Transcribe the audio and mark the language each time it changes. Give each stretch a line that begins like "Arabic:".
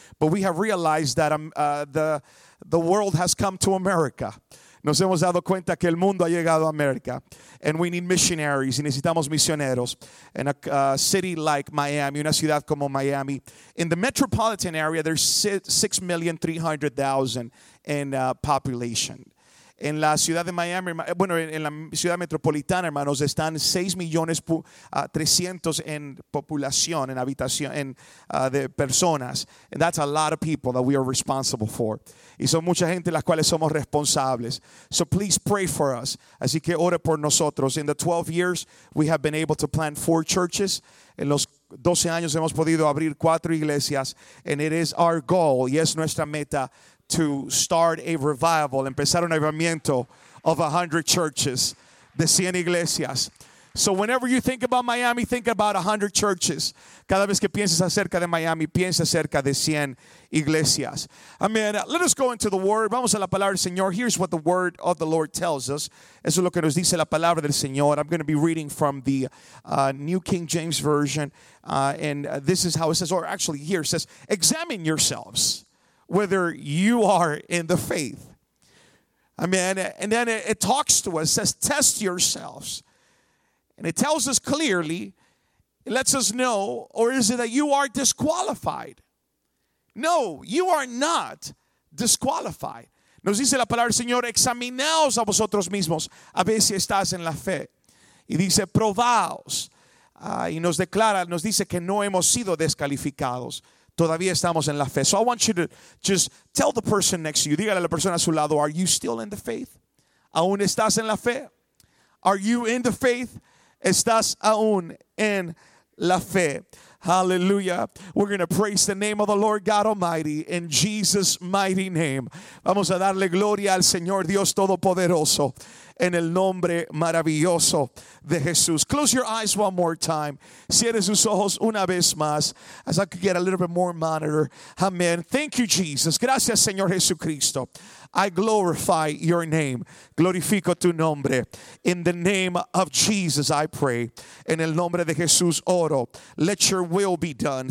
English: But we have realized that the world has come to America.
Spanish: Nos hemos dado cuenta que el mundo ha llegado a América.
English: And we need missionaries.
Spanish: Y necesitamos misioneros.
English: In a city like Miami,
Spanish: una ciudad como Miami.
English: In the metropolitan area, there's 6,300,000 in population.
Spanish: En la ciudad de Miami, bueno, en la ciudad metropolitana, hermanos, están 6,300,000 en población, en habitación, en de personas.
English: And that's a lot of people that we are responsible for.
Spanish: Y son mucha gente las cuales somos responsables.
English: So please pray for us.
Spanish: Así que ore por nosotros.
English: In the 12 years, we have been able to plant 4 churches.
Spanish: En los 12 años hemos podido abrir 4 iglesias.
English: And it is our goal,
Spanish: y es nuestra meta,
English: to start a revival,
Spanish: empezar un avivamiento
English: of 100 churches,
Spanish: de 100 iglesias.
English: So whenever you think about Miami, think about 100 churches.
Spanish: Cada vez que pienses acerca de Miami, piensa acerca de 100 iglesias.
English: Amen. Let us go into the Word.
Spanish: Vamos a la palabra del Señor.
English: Here's what the Word of the Lord tells us.
Spanish: Eso es lo que nos dice la palabra del Señor.
English: I'm going to be reading from the New King James Version. And this is how it says, or actually here it says, examine yourselves whether you are in the faith. Amen. And then it talks to us, says, test yourselves. And it tells us clearly, it lets us know, or is it that you are disqualified? No, you are not disqualified.
Spanish: Nos dice la palabra del Señor, examinaos a vosotros mismos, a ver si estás en la fe. Y dice, probaos. Y nos declara, nos dice que no hemos sido descalificados. Todavía estamos en la fe.
English: So I want you to just tell the person next to you,
Spanish: dígale a la persona a su lado,
English: are you still in the faith?
Spanish: ¿Aún estás en la fe?
English: Are you in the faith?
Spanish: ¿Estás aún en la fe? Hallelujah.
English: We're going to praise the name of the Lord God Almighty in Jesus' mighty name.
Spanish: Vamos a darle gloria al Señor Dios Todopoderoso en el nombre maravilloso de Jesús.
English: Close your eyes one more time.
Spanish: Cierre sus ojos una vez más.
English: As I could get a little bit more monitor. Amen. Thank you, Jesus.
Spanish: Gracias, Señor Jesucristo.
English: I glorify your name.
Spanish: Glorifico tu nombre.
English: In the name of Jesus, I pray.
Spanish: En el nombre de Jesús, oro.
English: Let your will be done.